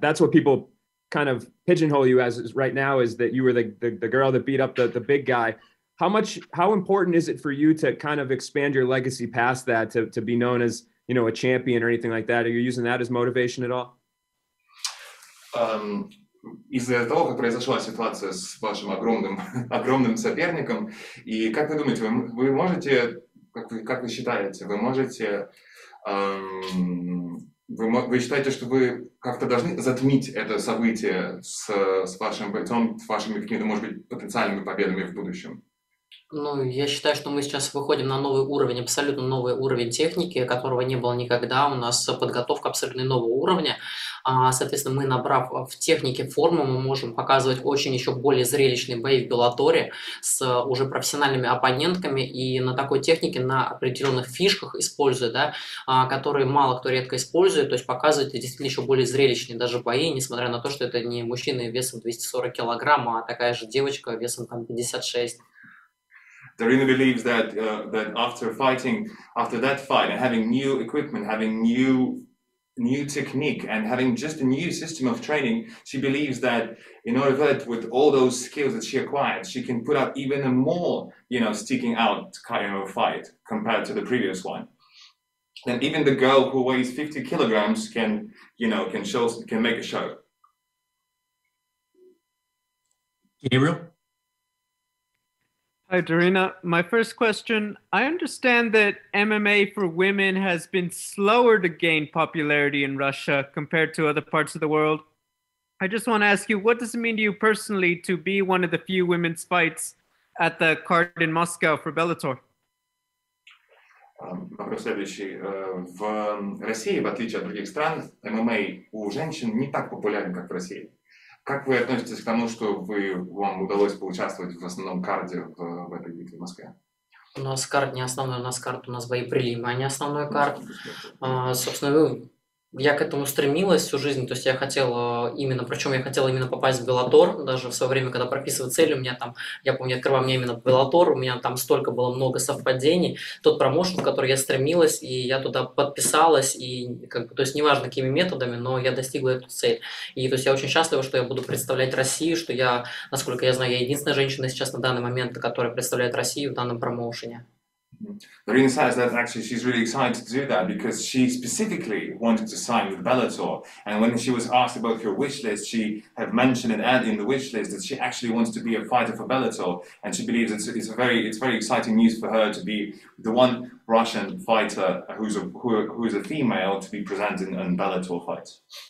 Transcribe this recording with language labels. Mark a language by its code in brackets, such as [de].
[en] That's what people kind of pigeonhole you as right now, is that you were the girl that beat up the big guy. How important is it for you to kind of expand your legacy past that, to be known as, you know, a champion or anything like that? Are you using that as motivation at all? [ru] Из-за того, как произошла ситуация с вашим огромным соперником, и как вы думаете, вы можете... Как вы считаете, вы можете, вы считаете, что вы как-то должны затмить это событие с вашим бойцом, с вашими какими-то, может быть, потенциальными победами в будущем? Ну, я считаю, что мы сейчас выходим на новый уровень, абсолютно новый уровень техники, которого не было никогда. У нас подготовка абсолютно нового уровня. А, соответственно, мы, набрав в технике форму, мы можем показывать очень еще более зрелищные бои в Беллаторе с уже профессиональными оппонентками. И на такой технике, на определенных фишках используя, да, которые мало кто редко использует, то есть показывает действительно еще более зрелищные даже бои, несмотря на то, что это не мужчина весом 240 килограмм, а такая же девочка весом там 56. [en] Darina believes that after fighting, after that fight, and having new equipment, having new technique, and having just a new system of training, she believes that in order that with all those skills that she acquired, she can put up even a more, sticking out kind of fight compared to the previous one. And even the girl who weighs 50 kilograms can, can show, can make a show. Gabriel? Hi, Darina. My first question, I understand that MMA for women has been slower to gain popularity in Russia compared to other parts of the world. I just want to ask you, what does it mean to you personally to be one of the few women's fights at the card in Moscow for Bellator? [ru] Вопрос следующий. В России, в отличие от других стран, ММА у женщин не так популярен, как в России. Как вы относитесь к тому, что вам удалось поучаствовать в основном кардио в этой битве в Москве? У нас карт не основной, у нас карт, у нас бои прилима, а не основной Ну, карт. А, собственно, я к этому стремилась всю жизнь, то есть я хотела именно, причем я хотела именно попасть в Беллатор, даже в свое время, когда прописываю цели, у меня там, я помню, открывал мне именно Беллатор, у меня там столько было много совпадений, тот промоушен, в который я стремилась, и я туда подписалась, и как бы, то есть неважно, какими методами, но я достигла эту цель. И то есть я очень счастлива, что я буду представлять Россию, что я, насколько я знаю, я единственная женщина сейчас на данный момент, которая представляет Россию в данном промоушене. [en] Darina says that actually she's really excited to do that because she specifically wanted to sign with Bellator. And when she was asked about her wish list, she had mentioned an ad in the wish list that she actually wants to be a fighter for Bellator. And she believes it's very exciting news for her to be the one Russian fighter who is a female to be presented in Bellator fights.